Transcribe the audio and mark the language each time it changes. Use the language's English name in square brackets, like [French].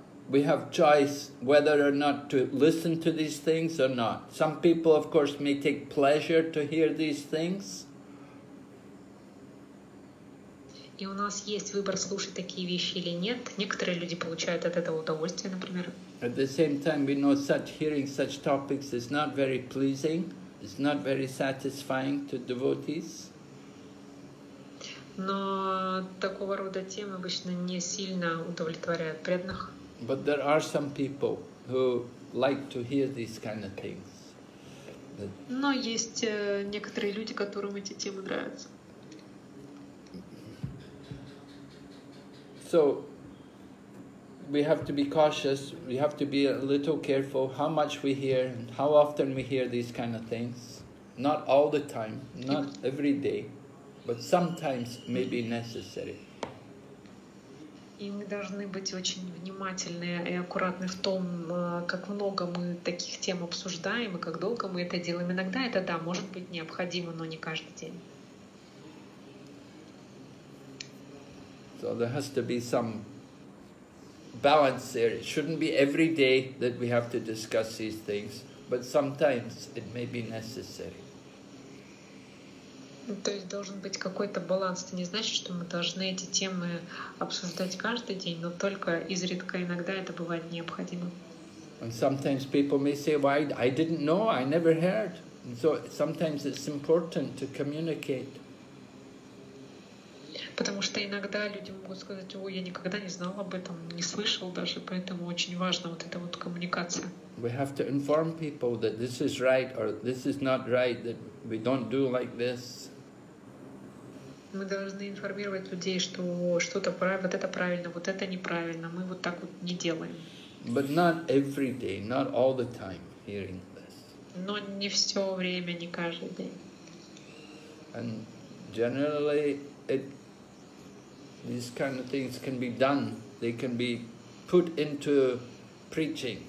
[English] We have choice whether or not to listen to these things or not. Some people, of course, may take pleasure to hear these things. [Russian] И у нас есть выбор слушать такие вещи или нет. Некоторые люди получают от этого удовольствие, например. [English] At the same time, we know such hearing such topics is not very pleasing. It's not very satisfying to devotees. [Russian] Но такого рода темы обычно не сильно удовлетворяют преданных. [English] But there are some people who like to hear these kind of things. [Russian] Но есть некоторые люди, которым эти темы нравятся. [English] So, we have to be cautious, we have to be a little careful how much we hear, how often we hear these kind of things. Not all the time, not every day, but sometimes may be necessary. [Russian] И мы должны быть очень внимательны и аккуратны в том, как много мы таких тем обсуждаем и как долго мы это делаем. Иногда это, да, может быть необходимо, но не каждый день. [English] So there has to be some balance there. It shouldn't be every day that we have to discuss these things, but sometimes it may be necessary. [Russian] То есть должен быть какой-то баланс. Это не значит, что мы должны эти темы обсуждать каждый день, но только изредка, иногда это бывает необходимо. [English] And sometimes people may say, "Why? I didn't know. I never heard." And so sometimes it's important to communicate. [Russian] Потому что иногда люди могут сказать: "Ой, я никогда не знал об этом, не слышал даже", поэтому очень важна вот эта вот коммуникация. [English] We have to inform people that this is right or this is not right, that we don't do like this. [Russian] Мы должны информировать людей, что что-то правильно, вот это правильно, вот это неправильно. Мы вот так вот не делаем. [English] But not every day, not all the time hearing this. [Russian] Но не все время, не каждый день. [English] And generally it, these kind of things can be done. They can be put into preaching.